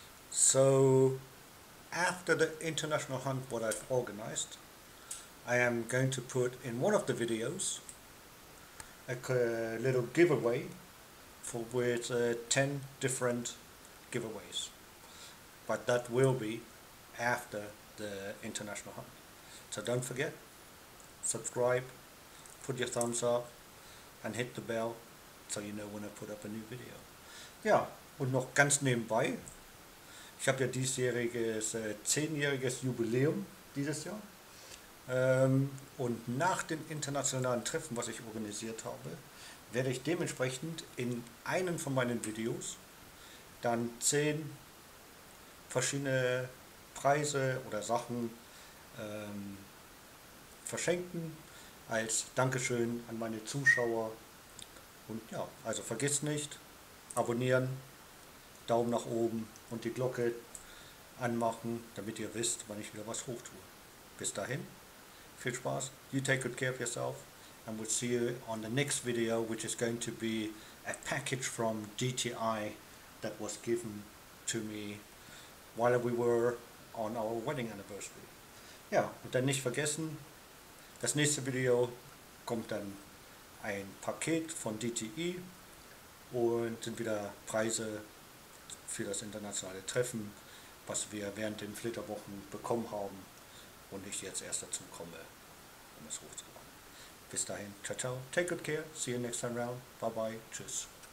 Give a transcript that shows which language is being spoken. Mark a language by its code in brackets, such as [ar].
[en] So, after the international hunt what I've organized, I am going to put in one of the videos a little giveaway for with 10 different giveaways. But that will be after the international hunt. So don't forget, subscribe, put your thumbs up and hit the bell. So you know when I put up a new video. [de] Ja, und noch ganz nebenbei, ich habe ja diesjähriges 10-jähriges Jubiläum dieses Jahr. Und nach dem internationalen Treffen, was ich organisiert habe, werde ich dementsprechend in einem von meinen Videos dann 10 verschiedene Preise oder Sachen verschenken als Dankeschön an meine Zuschauer. Und ja, also vergiss nicht, abonnieren, Daumen nach oben und die Glocke anmachen, damit ihr wisst, wann ich wieder was hoch tue. Bis dahin, viel Spaß, [en] you take good care of yourself and we'll see you on the next video, which is going to be a package from DTI that was given to me while we were on our wedding anniversary. [de] Ja, und dann nicht vergessen, das nächste Video kommt dann ein Paket von DTI und sind wieder Preise für das internationale Treffen, was wir während den Flitterwochen bekommen haben und ich jetzt erst dazu komme, um es hochzubauen. Bis dahin, ciao, ciao, [en] take good care, see you next time around, bye bye, [de] tschüss.